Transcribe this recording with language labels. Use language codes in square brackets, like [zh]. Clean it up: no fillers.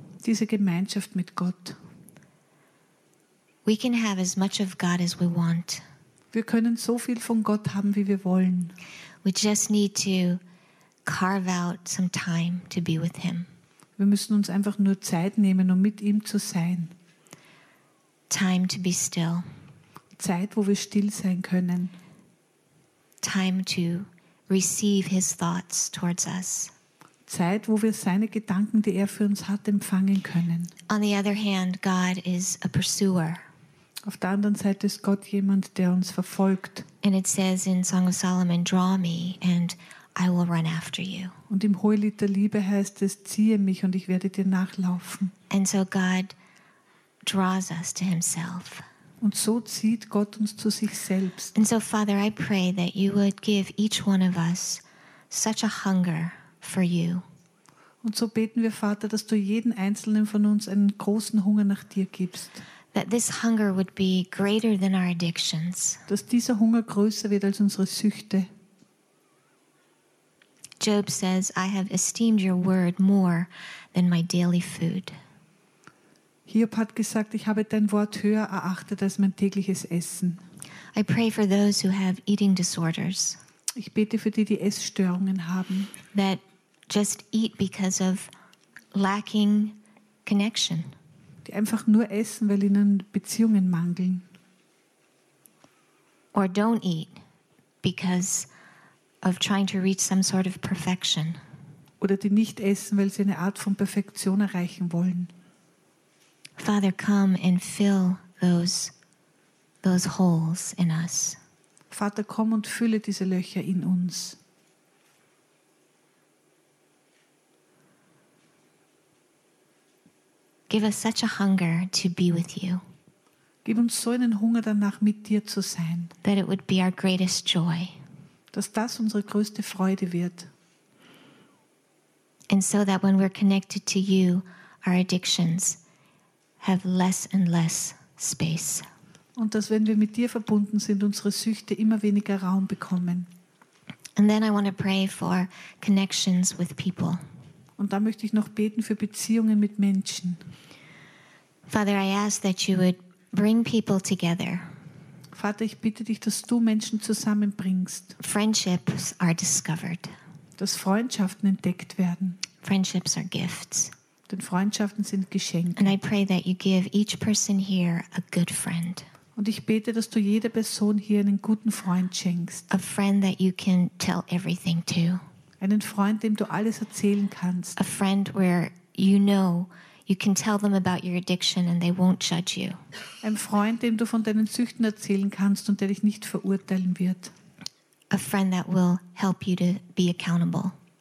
[de] Diese Gemeinschaft mit Gott. [en] We can have as much of God as we want. [de] Wir können so viel von Gott haben, wie wir wollen. [en] We just need to carve out some time to be with him. [de] Wir müssen uns einfach nur Zeit nehmen, um mit ihm zu sein. [en] Time to be still. [de] Zeit, wo wir still sein können. [en] Time to receive his thoughts towards us. [de] Zeit, wo wir seine Gedanken, die er für uns hat, empfangen können. [en] On the other hand, God is a pursuer. [de] Auf der anderen Seite ist Gott jemand, der uns verfolgt. [en] And it says in Song of Solomon, draw me and I will run after you. [de] Und im Hohelied der Liebe heißt es, ziehe mich und ich werde dir nachlaufen. [en] And so God draws us to himself. [de] Und so zieht Gott uns zu sich selbst. [en] And so Father, I pray that you would give each one of us such a hunger for you. [de] Und so beten wir, Vater, dass du jeden einzelnen von uns einen großen Hunger nach dir gibst. [en] That this hunger would be greater than our addictions. [de] Dass dieser Hunger größer wird als unsere Süchte. [en] Job says, I have esteemed your word more than my daily food. [de] Hiob hat gesagt, ich habe dein Wort höher erachtet als mein tägliches Essen. [en] I pray for those who have eating disorders. [de] Ich bete für die, die Essstörungen haben. [en] That just eat because of lacking connection. [de] Die einfach nur essen, weil ihnen Beziehungen mangeln. [en] Or don't eat because of trying to reach some sort of perfection. [de] Oder die nicht essen, weil sie eine Art von Perfektion erreichen wollen. [en] Father, come and fill those holes in us. [de] Vater, komm und fülle diese Löcher in uns. [en] Give us such a hunger to be with you. [de] Gib uns so einen Hunger danach, mit dir zu sein. [en] That it would be our greatest joy. [de] Dass das unsere größte Freude wird. [en] And so that when we're connected to you, our addictions have less and less space. [de] Und dass wenn wir mit dir verbunden sind, unsere Süchte immer weniger Raum bekommen. [en] And then I want to pray for connections with people. [de] Und da möchte ich noch beten für Beziehungen mit Menschen. [en] Father, I ask that you would bring people together. [de] Vater, ich bitte dich, dass du Menschen zusammenbringst. [en] Friendships are discovered. [de] Dass Freundschaften entdeckt werden. [en] Friendships are gifts. [de] Denn Freundschaften sind Geschenke. [en] And I pray that you give each person here a good friend. [de] Und ich bete, dass du jeder Person hier einen guten Freund schenkst. [en] A friend that you can tell everything to. [de] Einen Freund, dem du alles erzählen kannst. [en] A friend where you know you can tell them about your addiction and they won't judge you. [de] Ein Freund, dem du von deinen Süchten erzählen kannst und der dich nicht verurteilen wird. [en] A friend that will help you to be accountable.